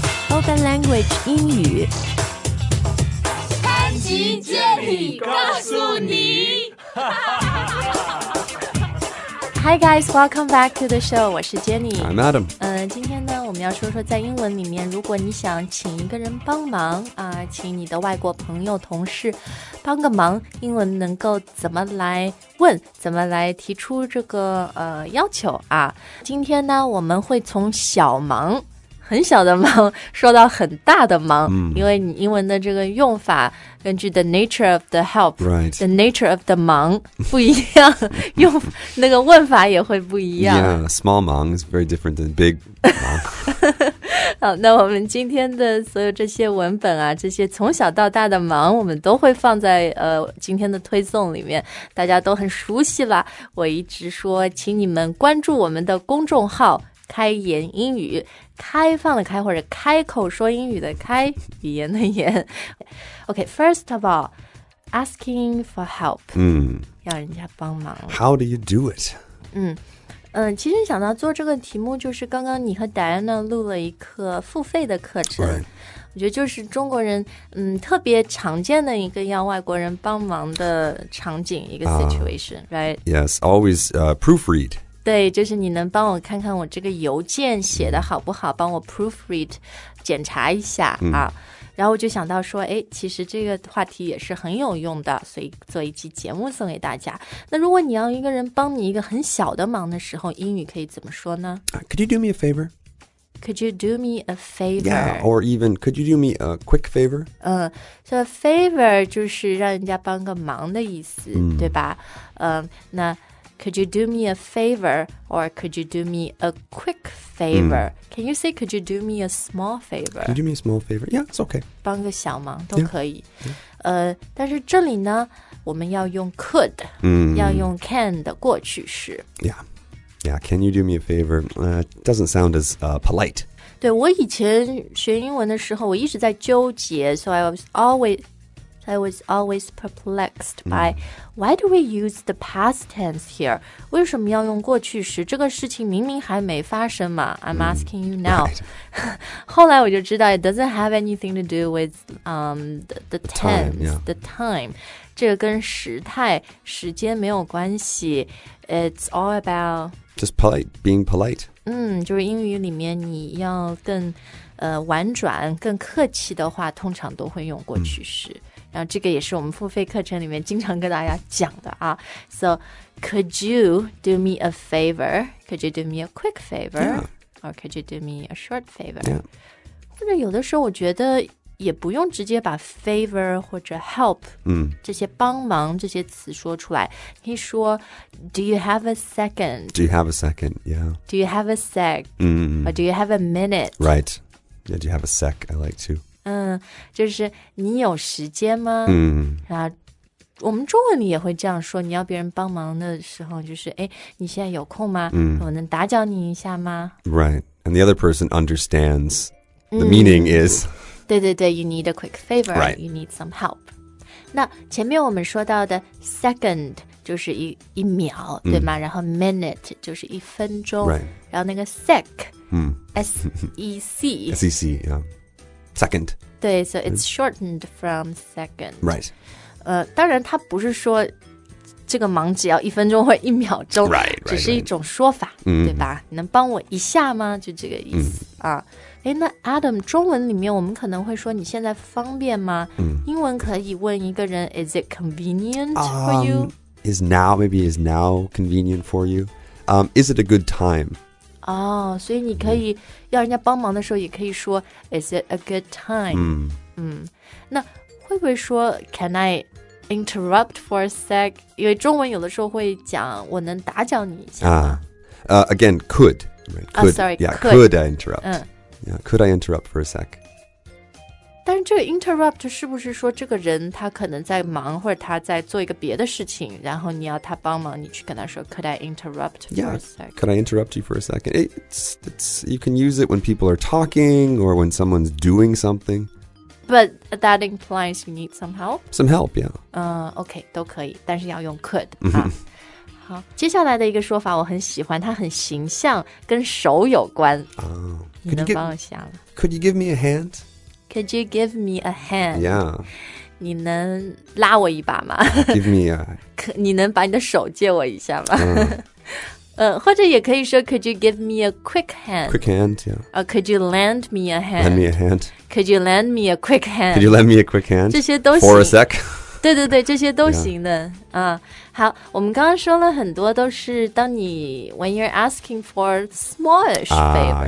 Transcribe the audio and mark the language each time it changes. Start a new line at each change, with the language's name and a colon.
Chinese: Open Language 英语，潘吉接你告诉你。
English: Hi guys, welcome back to the show.
Chinese: 我是 Jenny.
English: I'm Adam.
Chinese: 今天呢，我们要说说在英文里面，如果你想请一个人帮忙啊，请你的外国朋友、同事帮个忙，英文能够怎么来问，怎么来提出这个要求啊？今天呢，我们会从小忙。很小的忙说到很大的忙、因为你英文的这个用法根据
English: the nature of the help、 right. the nature of the
Chinese: 忙不一样用那个问法也会不一样
English: Yeah, small 忙 is very different than big 忙
Chinese: 好那我们今天的所有这些文本啊这些从小到大的忙我们都会放在今天的推送里面大家都很熟悉了我一直说请你们关注我们的公众号开言英语开放的开或者开口说英语的开语言的言
English: OK, first of all asking for help、
Chinese: 要人家帮忙
English: How do you do it?
Chinese: 其实想到做这个题目就是刚刚你和 Diana 录了一课付费的课程、
English: right.
Chinese: 我觉得就是中国人、特别常见的一个要外国人帮忙的场景一个 situation、right?
English: Yes, always proofread
Chinese: 对，就是你能帮我看看我这个邮件写的好不好，帮我 proofread 检查一下啊。然后我就想到说，哎，其实这个话题也是很有用的，所以做一期节目送给大家。那如果你要一个人帮你一个很小的忙的时候，英语可以怎么说呢？
English: Could you do me a favor? Could you do me a favor? Yeah, or even could you do me a quick favor?
Chinese: 所以 favor 就是让人家帮个忙的意思，对吧？
English: 那Could you do me a favor or could you do me a quick favor?、Can you say could you do me a small favor? Could you do me a small favor? Yeah, it's okay.
Chinese: 帮个小忙都可以。
English: Yeah.
Chinese: 但是这里呢我们要用 could,、要用 can 的过去式。
English: Yeah, yeah, can you do me a favor? Doesn't sound as polite.
Chinese: 对我以前学英文的时候我一直在纠结
English: so I was always perplexed by why do we use the past tense here?
Chinese: 为什么要用过去时？这个事情明明还没发生嘛。
English: I'm asking you now.、
Chinese: 后来我就知道
English: it doesn't have anything to do with the tense, time,、 the time.
Chinese: 这个跟时态、时间没有关系。
English: It's all about... Just polite, being polite.
Chinese: 就是英语里面你要更、婉转、更客气的话通常都会用过去时。然后这个也是我们付费课程里面经常跟大家讲的啊。
English: So, could you do me a favor? Could you do me a quick favor? Yeah. Or could you do me a short favor? Yeah.
Chinese: 或者有的时候我觉得也不用直接把 favor 或者 help 这些帮忙这些词说出来。可以说
English: do you have a second? Do you have a second? Yeah. Do you have a sec? Or do you have a minute? Right. Yeah, do you have a sec? I like to.
Chinese: 就是你有时间吗？然后我们中文里也会这样说，你要别人帮忙的时候，就是哎，你现在有空吗？我能打搅你一下吗
English: ？Right, and the other person understands the meaning is.
Chinese: 对对对
English: ，you need a quick favor. Right, you need some help.
Chinese: 那前面我们说到的 second 就是一秒，对吗？然后 minute 就是一分钟，
English: right.
Chinese: 然后那个 sec, sec,
English: sec, yeah. Second.
Chinese: 对
English: so it's shortened from second. Right.
Chinese: 当然它不是说这个忙只要一分钟或一秒钟
English: right, right,
Chinese: 只是一种说法、
English: right.
Chinese: 对吧、能帮我一下吗就这个意思、那 Adam 中文里面我们可能会说你现在方便吗、英文可以问一个人
English: Is it convenient for you? Is now, maybe is now convenient for you?、is it a good time?
Chinese: 所以你可以要人家帮忙的时候也可以说
English: Is it a good time?
Chinese: 那会不会说
English: Can I interrupt for a sec?
Chinese: 因为中文有的时候会讲我能打搅你一下、
English: Again, could, right? could、 sorry, yeah, could I interrupt、yeah, Could I interrupt for a sec?
Chinese: 但是这个 interrupt 是不是说这个人他可能在忙或者他在做一个别的事情然后你要他帮忙你去跟他说
English: Could I interrupt for yeah, a sec? Could I interrupt you for a second? You can use it when people are talking or when someone's doing something. But that implies you need some help? Some help, yeah.
Chinese: Okay, 都可以但是要用 could. 好，接下来的一个说法我很喜欢，它很形象，跟手有关。
English: Oh,
Chinese: 你能帮我想
English: Could you give me a hand? Could you give me a hand? Yeah.
Chinese: 你能拉我一把吗
English: Give me a...
Chinese: 你能把你的手借我一下吗、或者也可以说
English: Could you give me a quick hand? Quick hand, yeah. Or could you lend me a hand? Lend me a hand. Could you lend me a quick hand? Could you lend me a quick hand?
Chinese: 这些都行。
English: For a sec?
Chinese: 对对对这些都行的、yeah. 好我们刚刚说了很多都是当你
English: when you're asking for smallish favor、